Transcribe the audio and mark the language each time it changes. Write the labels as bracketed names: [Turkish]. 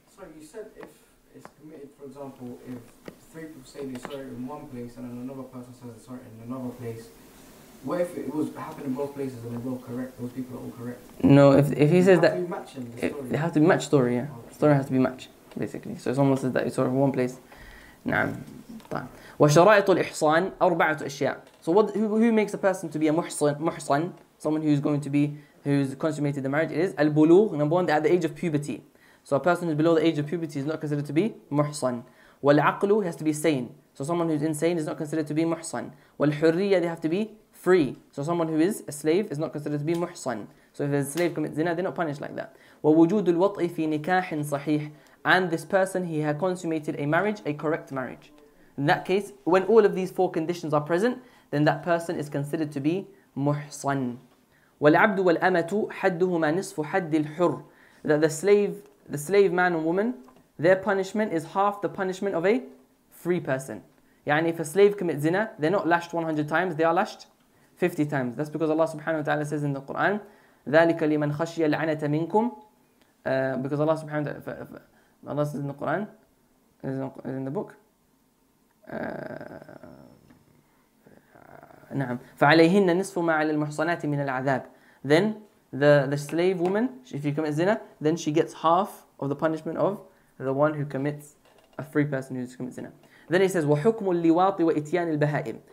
[English] So you said if it's committed, for example, if three people say they saw it in one place and then another person says they saw it in another place, what if it was happening in both places and they were all correct? Those people are all correct. No, if he says that. They have to be matching the story. They have to be matched story, yeah. Okay. Story has to be matched. Basically, so it's almost that it's sort of one place. [Arabic] نعم. طيب. وشرائط الإحصان أربعة أشياء. [English] So what? Who makes a person to be a محصن? Someone who's going to be, who's consummated the marriage, is البلوغ. Number one, at the age of puberty. So a person who's below the age of puberty is not considered to be محصن. والعقل, he has to be sane. So someone who's insane is not considered to be محصن. والحرية, they have to be free. So someone who is a slave is not considered to be محصن. So if a slave commits zina, they're not punished like that. [Arabic] ووجود الوطء في نكاح صحيح. [English] And this person, he had consummated a marriage, a correct marriage. In that case, when all of these four conditions are present, then that person is considered to be muhsan. [Arabic] وَالْعَبْدُ وَالْأَمَةُ حَدُّهُمَا نِصْفُ حَدِّ الْحُرِّ. [English] That the slave man and woman, their punishment is half the punishment of a free person. يعني if a slave commits zina, they're not lashed 100 times, they are lashed 50 times. That's because Allah subhanahu wa ta'ala says in the Quran, [Arabic] ذَلِكَ لِمَنْ خَشِيَ الْعَنَةَ مِنْكُمْ. [English] Because Allah subhanahu wa ta'ala, Allah says in the Quran, is in the book. [Arabic] نعم. فعليهن نصف ما على المحصنات من العذاب. [English] Then the slave woman, if you commit zina, then she gets half of the punishment of the one who commits, a free person who commits zina. Then he says [Arabic] وحكم اللواط وإتيان البهائم.